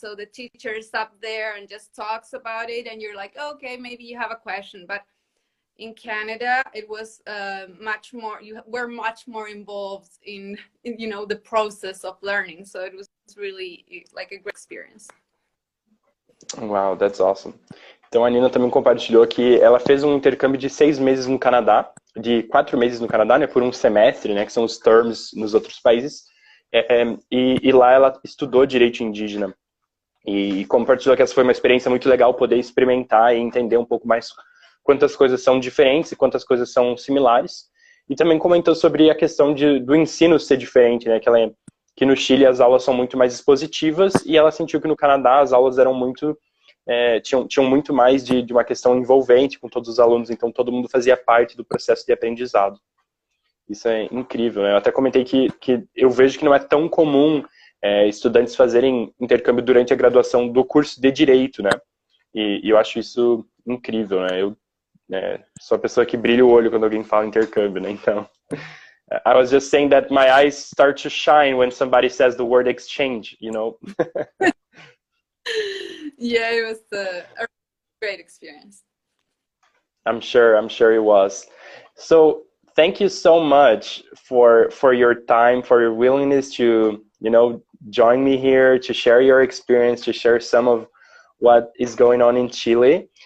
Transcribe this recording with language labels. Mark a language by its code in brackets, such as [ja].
[en] So the teacher is up there and just talks about it, and you're like, okay, maybe you have a question. But in Canada, it was much more involved in, you know, the process of learning. So it was really like a great experience. Wow, that's awesome. [pt] Então, a Nina também compartilhou que ela fez um intercâmbio de 6 meses no Canadá, de 4 meses no Canadá, né, por um semestre, né, que são os terms nos outros países, e lá ela estudou direito indígena. E compartilhou que essa foi uma experiência muito legal poder experimentar e entender um pouco mais quantas coisas são diferentes e quantas coisas são similares. E também comentou sobre a questão do ensino ser diferente, né, que no Chile as aulas são muito mais expositivas, e ela sentiu que no Canadá as aulas eram muito... Tinham muito mais de uma questão envolvente com todos os alunos, então todo mundo fazia parte do processo de aprendizado. Isso é incrível, né? Eu até comentei que eu vejo que não é tão comum estudantes fazerem intercâmbio durante a graduação do curso de Direito, né? E eu acho isso incrível, né? Eu sou a pessoa que brilha o olho quando alguém fala intercâmbio, né? [en] Então, I was just saying that my eyes start to shine when somebody says the word exchange, you know? Yeah, it was a great experience. I'm sure it was. So thank you so much for your time, for your willingness to, you know, join me here, to share your experience, to share some of what is going on in Chile.